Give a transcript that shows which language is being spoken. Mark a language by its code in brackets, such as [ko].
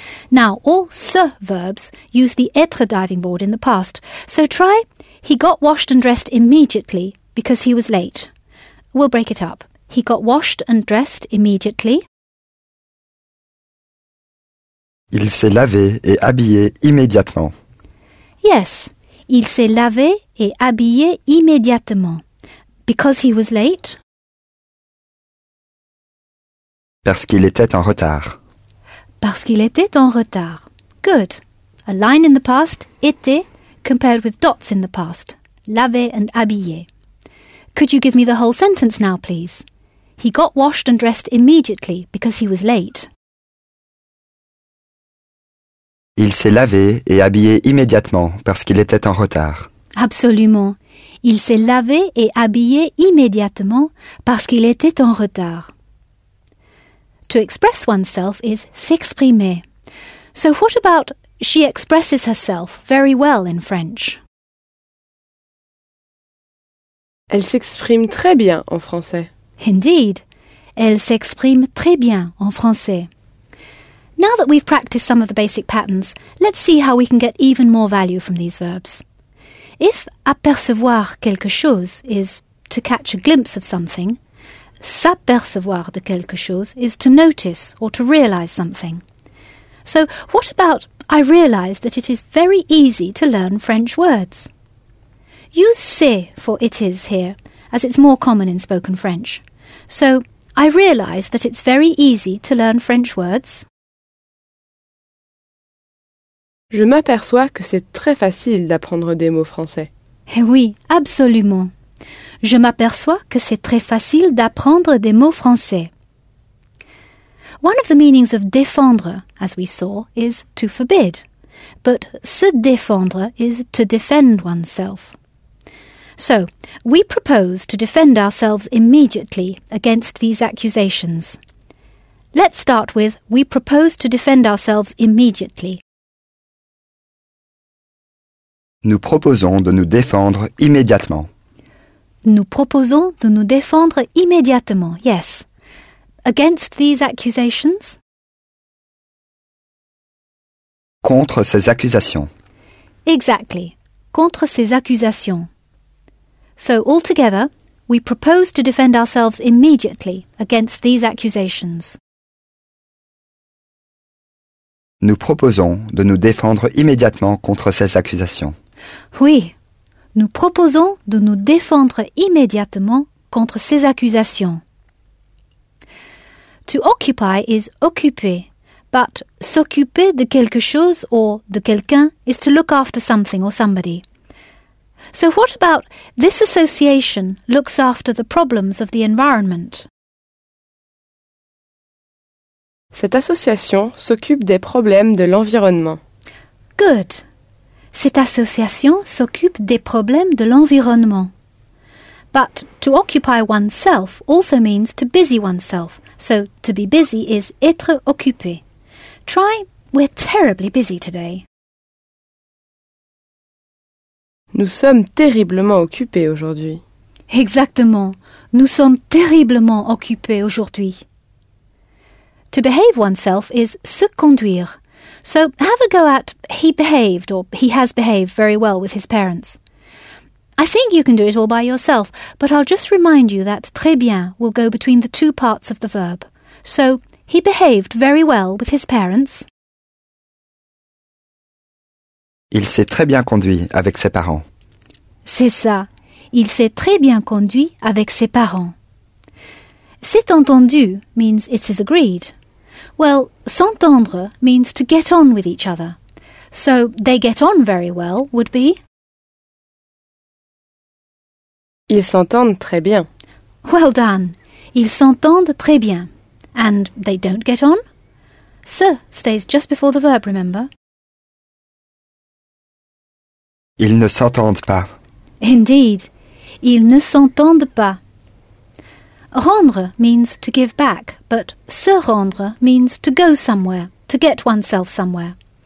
[en] Now, all se verbs use the être diving board in the past. So try, he got washed and dressed immediately because he was late. We'll break it up. He got washed and dressed immediately. [fr] Il s'est lavé et habillé immédiatement. Yes, il s'est lavé et habillé immédiatement. [en] Because he was late? [fr] Parce qu'il était en retard. Parce qu'il était en retard. [en] Good. A line in the past, était, compared with dots in the past. [fr] Lavé and habillé. [en] Could you give me the whole sentence now, please? He got washed and dressed immediately because he was late. [fr] Il s'est lavé et habillé immédiatement parce qu'il était en retard. Absolument. Il s'est lavé et habillé immédiatement parce qu'il était en retard. [en] To express oneself is [fr] s'exprimer. [en] So what about she expresses herself very well in French? [fr] Elle s'exprime très bien en français. [en] Indeed. [fr] Elle s'exprime très bien en français. [en] Now that we've practiced some of the basic patterns, let's see how we can get even more value from these verbs. If [fr] apercevoir quelque chose [en] is to catch a glimpse of something, [fr] s'apercevoir de quelque chose [en] is to notice or to realise something. So, what about I realise that it is very easy to learn French words? Use c'est for it is here, as it's more common in spoken French. So, I realise that it's very easy to learn French words. [fr] Je m'aperçois que c'est très facile d'apprendre des mots français. Eh oui, absolument. Je m'aperçois que c'est très facile d'apprendre des mots français. [en] One of the meanings of [fr] défendre, [en] as we saw, is to forbid. but [fr] se défendre [en] is to defend oneself. So, we propose to defend ourselves immediately against these accusations. Let's start with, we propose to defend ourselves immediately. [fr] Nous proposons de nous défendre immédiatement. Nous proposons de nous défendre immédiatement, yes. [en] Against these accusations? [fr] Contre ces accusations. [en] Exactly. [fr] Contre ces accusations. [en] So, altogether, we propose to defend ourselves immediately against these accusations. [fr] Nous proposons de nous défendre immédiatement contre ces accusations. Oui, nous proposons de nous défendre immédiatement contre ces accusations. [en] To occupy is [fr] occuper, [en] but [fr] s'occuper de quelque chose [en] or [fr] de quelqu'un [en] is to look after something or somebody. So what about this association looks after the problems of the environment? [fr] Cette association s'occupe des problèmes de l'environnement. [en] Good. [fr] Cette association s'occupe des problèmes de l'environnement. [en] But to occupy oneself also means to busy oneself. So to be busy is [fr] être occupé. [en] Try, we're terribly busy today. [fr] Nous sommes terriblement occupés aujourd'hui. Exactement. Nous sommes terriblement occupés aujourd'hui. [en] To behave oneself is [fr] se conduire. [en] So have a go at he behaved or he has behaved very well with his parents. I think you can do it all by yourself, but I'll just remind you that [fr] très bien [en] will go between the two parts of the verb. So he behaved very well with his parents. [fr] Il s'est très bien conduit avec ses parents. C'est ça. Il s'est très bien conduit avec ses parents. C'est entendu [en] means it is agreed. Well, [fr] s'entendre [en] means to get on with each other. So, they get on very well would be... [fr] Ils s'entendent très bien. [en] Well done. [fr] Ils s'entendent très bien. [en] And they don't get on? Se stays just before the verb, remember? [fr] Ils ne s'entendent pas. Indeed. Ils ne s'entendent pas. Rendre [en] means to give back, but [fr] se rendre [en] means to go somewhere, to get oneself somewhere.